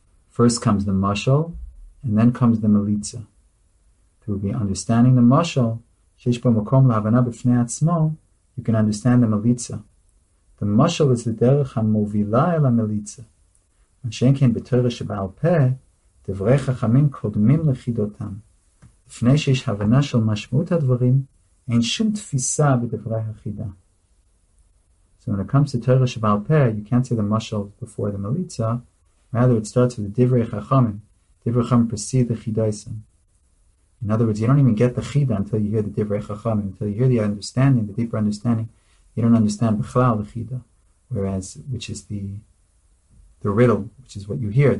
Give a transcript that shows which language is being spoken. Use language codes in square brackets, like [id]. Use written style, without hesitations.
[en] First comes the mashal, and then comes the melitza. Through the understanding the mashal, [he] שיש בו מקום להבנה בפני עצמו, [en] you can understand the melitza. The mashal is the [he] דרך המובילה אל המליצה. מה שאין כן בתורה שבעל פה, דברי חכמים קודמים לחידותם. לפני שיש הבנה של משמעות הדברים, אין שום תפיסה בדברי החידה. [en] So when it comes to תורה שבעל פה, you can't see the mashal before the melitza. Rather, it starts with the Divrei Chachamim. Divrei Chachamim precede the Chidaisim. In other words, you don't even get the Chida until you hear the Divrei Chachamim, until you hear the understanding, the deeper understanding. You don't understand Bechlal, the Chida, whereas, which is the riddle, which is what you hear.